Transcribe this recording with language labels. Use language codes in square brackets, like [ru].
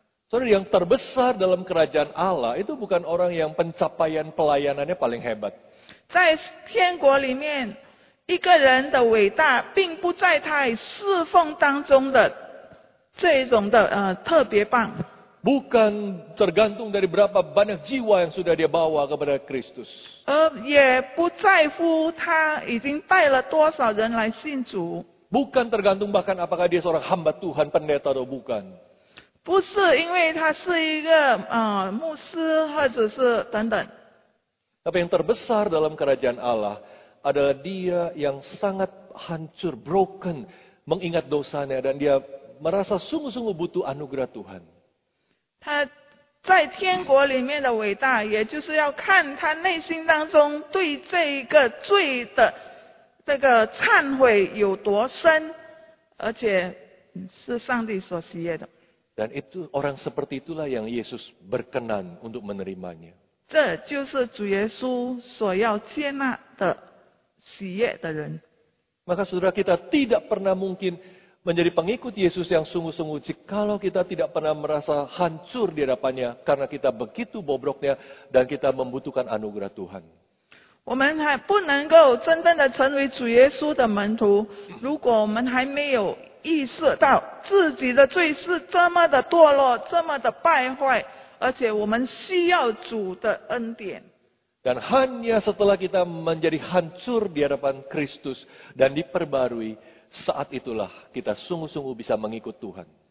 [id] Saudara, yang terbesar dalam kerajaan Allah itu bukan orang yang pencapaian pelayanannya paling hebat. [zh] 在天国里面，一个人的伟大并不在他侍奉当中的这种的特别棒。 [id] Bukan tergantung dari berapa banyak jiwa yang sudah dia bawa kepada Kristus. [zh] 也不在乎他已经带了多少人来信主。 [id] Bukan tergantung bahkan apakah dia seorang hamba Tuhan, pendeta atau bukan. [zh] 不是因为他是一个牧师或者是等等。 [id] Tapi yang terbesar dalam kerajaan Allah adalah dia yang sangat hancur, broken, mengingat dosanya dan dia merasa sungguh-sungguh butuh anugerah Tuhan。 [zh] 他在天国里面的伟大，也就是要看他内心当中对这一个罪的这个忏悔有多深，而且是上帝所喜悦的。 [id] Dan itu orang seperti itulah yang Yesus berkenan untuk menerimanya. [zh] 这就是主耶稣所要接纳的喜悦的人。 [id] Maka saudara kita tidak pernah mungkin menjadi pengikut Yesus yang sungguh-sungguh, jikalau kita tidak pernah merasa hancur di hadapannya karena kita begitu bobroknya dan kita membutuhkan anugerah Tuhan. [zh] 我们还不能够真正的成为主耶稣的门徒，如果我们还没有意识到自己的罪是这么的堕落，这么的败坏，而且我们需要主的恩典。 [id] Dan hanya setelah kita menjadi hancur di hadapan Kristus dan diperbarui, saat itulah kita sungguh-sungguh bisa mengikut Tuhan.